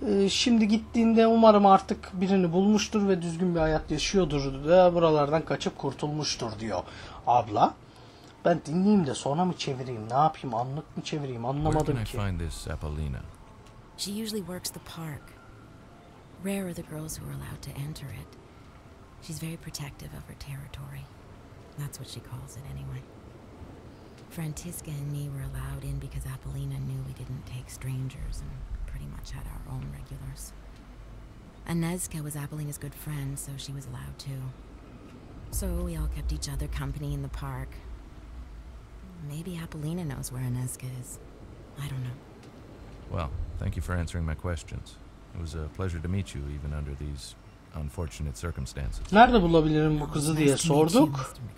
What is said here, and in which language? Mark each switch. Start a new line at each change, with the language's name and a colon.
Turkish: Şimdi gittiğinde umarım artık birini bulmuştur ve düzgün bir hayat yaşıyordur ve buralardan kaçıp kurtulmuştur diyor abla. Ben dinleyeyim de sonra mı çevireyim, ne yapayım, anlık mı çevireyim anlamadım ki.
English: Where can I find this Apollina? She usually works the park. Rare are the girls who are allowed to enter it. She's very protective of her territory. That's what she calls it anyway. Francisca and me were allowed in because Apollina knew we didn't take strangers and pretty much had our own regulars. Aneska was Apollina's good friend, so she was allowed too. So we all kept each other company in the park. Maybe Apollina knows where Aneska is. I don't know. Well, thank you for answering my questions. It was a pleasure to meet you, even under these unfortunate circumstances.
Turkish: Nerede bulabilirim bu kızı diye sorduk.